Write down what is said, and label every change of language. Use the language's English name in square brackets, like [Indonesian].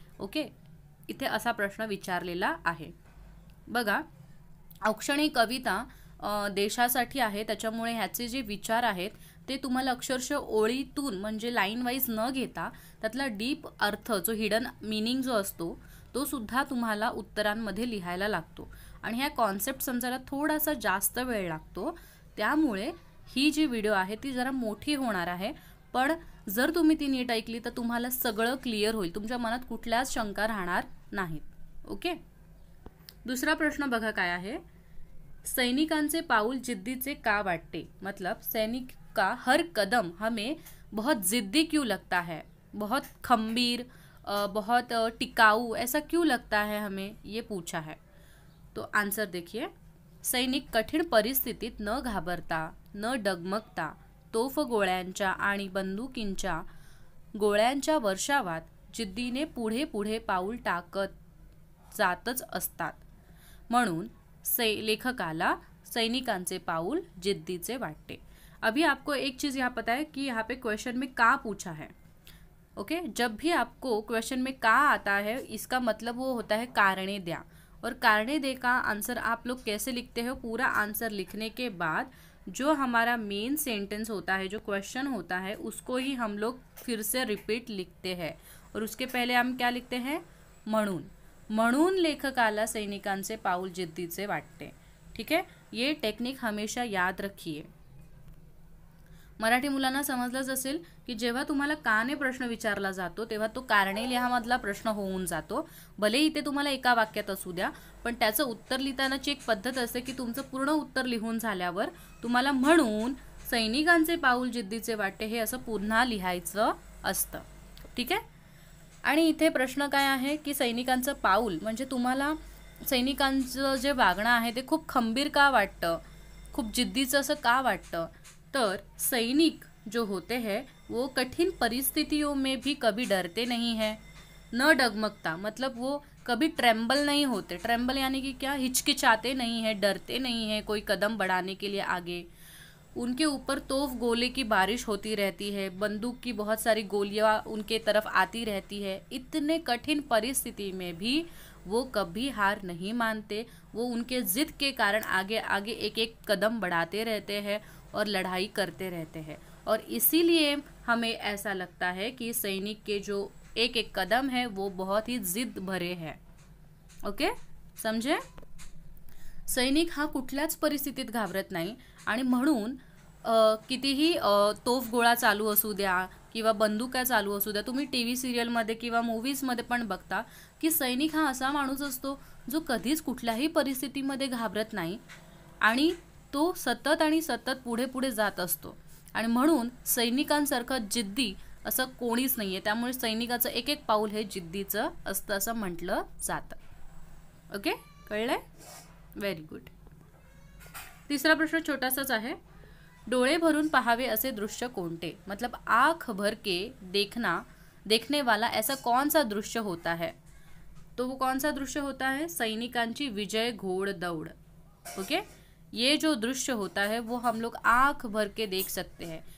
[Marathi] Okay इथे असा प्रश्न विचारलेला आहे. बघा औक्षणिक कविता देशासाठी आहे त्याच्यामुळे ह्याचे जे विचार आहेत ते तुम्हाला अक्षरशः ओळीतून म्हणजे लाईनवाईज न घेता त्यातला डीप अर्थ जो हिडन मिनिंग जो असतो तोसुद्धा तुम्हाला उत्तरांमध्ये लिहायला लागतो आणि ह्या कॉन्सेप्ट समजायला थोडासा जास्त वेळ लागतो. त्यामुळे ही जी व्हिडिओ आहे ती जरा मोठी होणार आहे पण जर तुम्ही ती नीट ऐकली तर तुम्हाला सगळं क्लिअर होईल तुमच्या मनात कुठल्याच शंका राहणार नाहीत. ओके दुसरा प्रश्न बघा काय आहे. सैनिकांचे पाऊल जिद्दीचे का वाटते [Hindi] मतलब सैनिक का हर कदम हमें बहुत जिद्दी क्यों लगता है बहुत खंबीर बहुत टिकाऊ ऐसा क्यों लगता है हमें ये पूछा है. तो आंसर देखिए [Marathi] सैनिक कठिन परिस्थितीत न घाबरता न डगमगता तोफ गोळ्यांच्या आणि बंदुकींच्या गोळ्यांच्या वर्षावात जिद्दीने पुढे पुढे पाऊल टाकत जातच असतात म्हणून लेखकाला सैनिकांचे पाऊल जिद्दीचे वाटते. [Hindi] अभी आपको एक चीज़ यहाँ पता है कि यहाँ पे क्वेश्चन में का पूछा है. ओके जब भी आपको क्वेश्चन में का आता है इसका मतलब वो होता है [Marathi] कारणे द्या [Hindi] और कारणे दे का आंसर आप लोग कैसे लिखते हो पूरा आंसर लिखने के बाद जो हमारा मेन सेंटेंस होता है जो क्वेश्चन होता है उसको ही हम लोग फिर से रिपीट लिखते हैं और उसके पहले हम क्या लिखते हैं [Marathi] म्हणून म्हणून लेखकाला सैनिकांचे पाऊल जिद्दीचे वाटते. [Hindi] ठीक है ये टेक्निक हमेशा याद रखिए. [Marathi] मराठी मुलांना समजलंच असेल की जेव्हा तुम्हाला काने प्रश्न विचारला जातो तेव्हा तो कारणे लिहामधला प्रश्न होऊन जातो भले इथे तुम्हाला एका वाक्यात असू द्या पण त्याचं उत्तर लिहितानाची एक पद्धत असते की तुमचं पूर्ण उत्तर लिहून झाल्यावर तुम्हाला म्हणून सैनिकांचे पाऊल जिद्दीचे वाटते हे असं पुन्हा लिहायचं असतं. ठीक आहे आणि इथे प्रश्न काय आहे की सैनिकांचं पाऊल म्हणजे तुम्हाला सैनिकांचं जे वागणं आहे ते खूप खंबीर का वाटतं खूप जिद्दीचं असं का वाटतं. [Hindi] तर सैनिक जो होते है वो कठिन परिस्थितियों में भी कभी डरते नहीं है [Marathi] न डगमगता [Hindi] मतलब वो कभी ट्रेम्बल नहीं होते ट्रेम्बल यानी कि क्या हिचकिचाते नहीं है डरते नहीं है कोई कदम बढ़ाने के लिए आगे. उनके ऊपर तोफ गोले की बारिश होती रहती है बंदूक की बहुत सारी गोलियां उनके तरफ आती रहती है इतने कठिन परिस्थिति में भी वो कभी हार नहीं मानते वो उनके जिद के कारण आगे आगे एक एक कदम बढ़ाते रहते हैं और लड़ाई करते रहते हैं और इसीलिए हमें ऐसा लगता है कि सैनिक के जो एक एक कदम है वो बहुत ही जिद भरे हैं. [Marathi] ओके समझे सैनिक हा कुठल्याच परिस्थितीत घाबरत नाही आणि म्हणून कितीही तोफ गोळा चालू असू द्या किंवा बंदुका चालू असू द्या तुम्ही टी व्ही सिरियलमध्ये किंवा मूवीजमध्ये पण बघता की सैनिक हा असा माणूस असतो जो कधीच कुठल्याही परिस्थितीमध्ये घाबरत नाही आणि तो सतत आणि सतत पुढे पुढे जात असतो आणि म्हणून सैनिकांसारखं जिद्दी असं कोणीच नाही आहे त्यामुळे सैनिकाचं एक एक पाऊल हे जिद्दीचं असतं असं म्हटलं जातं. Okay कळलंय very good. तिसरा प्रश्न छोटासाच आहे. डोळे भरून पहावे असे दृश्य कोणते [Hindi] मतलब आँख भर के देखना देखने वाला ऐसा कौन सा दृश्य होता है तो वो कौन सा दृश्य होता है [Marathi] सैनिकांची विजय घोड़ दौड़. [Hindi] ओके ये जो दृश्य होता है वो हम लोग आँख भर के देख सकते हैं.